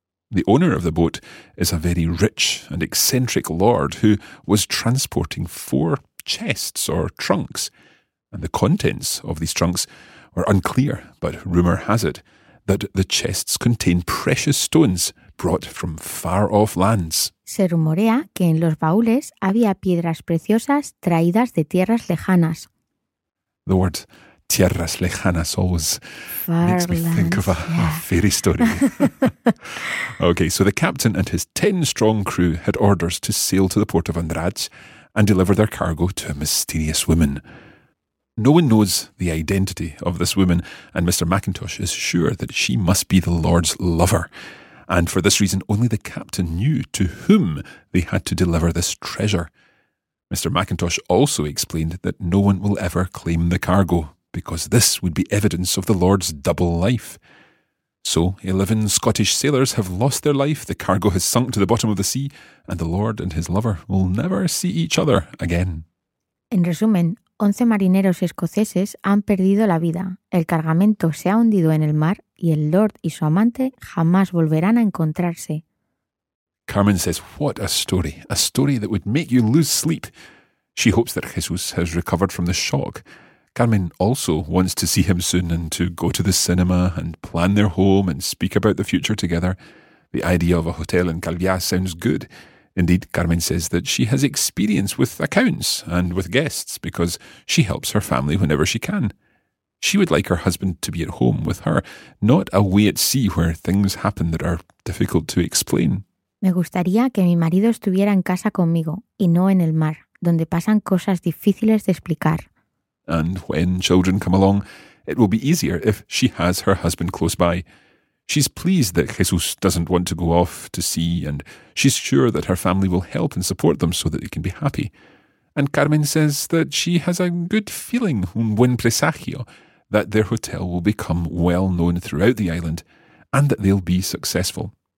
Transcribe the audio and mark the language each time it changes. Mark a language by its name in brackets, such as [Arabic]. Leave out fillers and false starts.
[English] The owner of the boat is a very rich and eccentric lord who was transporting 4 chests or trunks, and the contents of these trunks were unclear, but rumour has it that the chests contain precious stones brought from far-off lands. [Spanish] Se rumorea que en los baúles había piedras preciosas traídas de tierras lejanas. [English] The word [Spanish] tierras lejanas [English] always makes me think of a fairy story. Okay, so the captain and his 10-strong crew had orders to sail to the port of Andraj and deliver their cargo to a mysterious woman. No one knows the identity of this woman, and Mr. McIntosh is sure that she must be the Lord's lover. And for this reason, only the captain knew to whom they had to deliver this treasure. Mr. McIntosh also explained that no one will ever claim the cargo, because this would be evidence of the Lord's double life. So, 11 Scottish sailors have lost their life, the cargo has sunk to the bottom of the sea, and the Lord and his lover will never see each other again. [Spanish] En resumen, 11 marineros escoceses han perdido la vida, el cargamento se ha hundido en el mar y el Lord y su amante jamás volverán a encontrarse. [English] Carmen says, what a story that would make you lose sleep. She hopes that Jesus has recovered from the shock. Carmen also wants to see him soon and to go to the cinema and plan their home and speak about the future together. The idea of a hotel in Calviá sounds good. Indeed, Carmen says that she has experience with accounts and with guests because she helps her family whenever she can. She would like her husband to be at home with her, not away at sea where things happen that are difficult to explain. [Spanish] Me gustaría que mi marido estuviera en casa conmigo y no en el mar, donde pasan cosas difíciles de explicar. [English] And when children come along, it will be easier if she has her husband close by. She's pleased that Jesus doesn't want to go off to sea, and she's sure that her family will help and support them so that they can be happy. And Carmen says that she has a good feeling, [Spanish] un buen presagio, [English] that their hotel will become well known throughout the island and that they'll be successful.